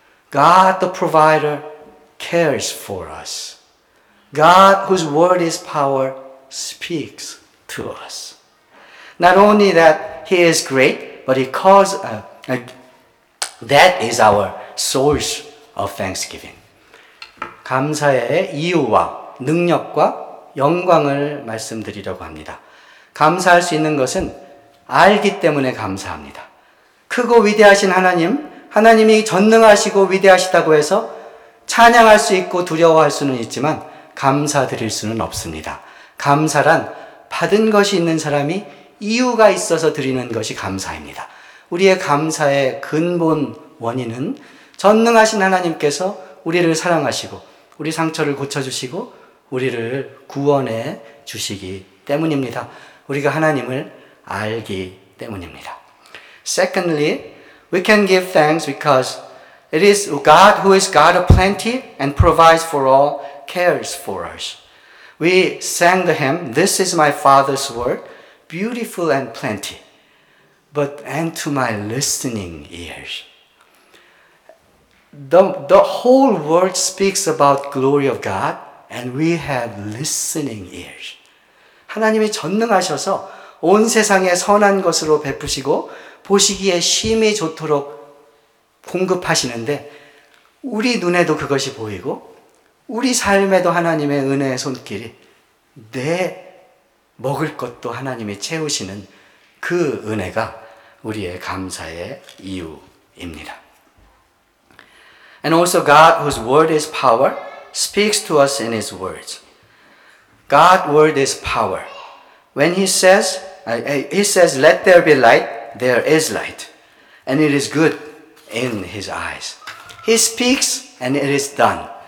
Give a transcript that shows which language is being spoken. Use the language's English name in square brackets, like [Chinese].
[English] God, the Provider, cares for us. God, whose word is power, speaks to us. Not only that He is great, but He calls, that is our source of thanksgiving. [Korean] 감사의 이유와 능력과 영광을 말씀드리려고 합니다. 감사할 수 있는 것은 알기 때문에 감사합니다. 크고 위대하신 하나님이 전능하시고 위대하시다고 해서 찬양할 수 있고 두려워할 수는 있지만 감사드릴 수는 없습니다. 감사란 받은 것이 있는 사람이 이유가 있어서 드리는 것이 감사입니다. 우리의 감사의 근본 원인은 전능하신 하나님께서 우리를 사랑하시고 우리 상처를 고쳐주시고 우리를 구원해 주시기 때문입니다. 우리가 하나님을 알기 때문입니다. [English] Secondly, we can give thanks because it is God who is God of plenty and provides for all, cares for us. We sang the hymn, This is my Father's word, beautiful and plenty, but and to my listening ears. The whole world speaks about glory of God, and we have listening ears. [Korean] 하나님이 전능하셔서 온 세상에 선한 것으로 베푸시고 보시기에 심히 좋도록 공급하시는데 우리 눈에도 그것이 보이고 우리 삶에도 하나님의 은혜의 손길이 내 먹을 것도 하나님이 채우시는 그 은혜가 우리의 감사의 이유입니다. [English] And also God whose word is power speaks to us in his words. God's word is power. When he says, let there be light, there is light. And it is good in his eyes. He speaks and it is done.